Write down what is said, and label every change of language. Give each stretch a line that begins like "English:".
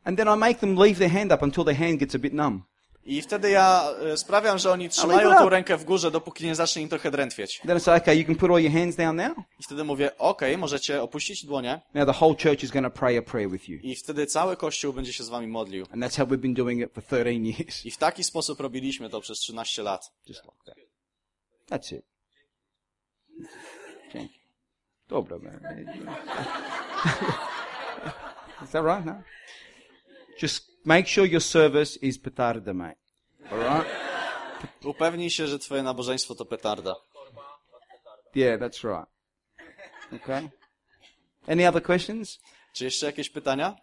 English: And then I make them leave their hand up until their hand gets a bit numb.
Polish: I wtedy ja sprawiam, że oni trzymają tą rękę w górze, dopóki nie zacznie im trochę drętwieć.
English: Then I say, okay, you can put all your hands down now.
Polish: I wtedy mówię, okej, możecie opuścić dłonie.
English: Now the whole church is going to pray a prayer with you.
Polish: I wtedy cały kościół będzie się z wami modlił.
English: And that's how we've been doing it for 13 years.
Polish: I w taki sposób robiliśmy to przez 13 lat.
English: Just like that. That's it.
Polish: Dzięki. Dobra, man.
English: Is that right? No. Just make sure your service is petarda, mate. All right?
Polish: Upewnij się, że twoje nabożeństwo to petarda.
English: Yeah, that's right. Okay. Any other questions?
Polish: Czy jeszcze jakieś pytania?